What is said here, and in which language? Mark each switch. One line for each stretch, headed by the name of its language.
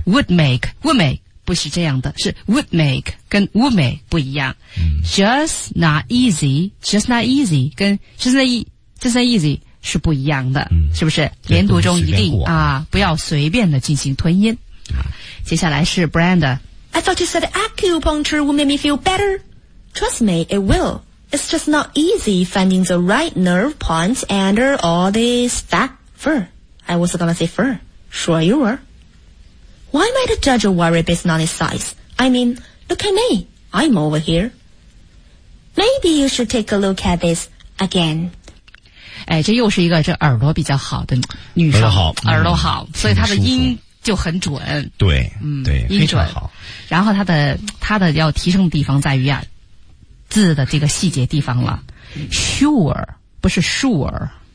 English: ， would make, would make
Chinese: 不是这样的，是 would make 跟 would make 不一样。嗯、
English: just not easy, just not easy
Chinese: 跟 just not easy。是不一样的、嗯、是不是连读中一定啊，不要随便的进行吞音、嗯、接下来是 Brand
English: I thought you said acupuncture would make me feel better Trust me, it will It's just not easy finding the right nerve points under all this fat fur I was gonna say fur Sure you were Why am I to judge a worry based on its size? I mean, look at me I'm over here Maybe you should take a look at this again
Chinese: 哎，这又是一个这耳朵比较好的女生，耳朵好、嗯、所以她的音就很准，对，嗯，对，音准好。然后她的要提升的地方在于啊，字的这个细节地方了。 Sure 不是 sure，、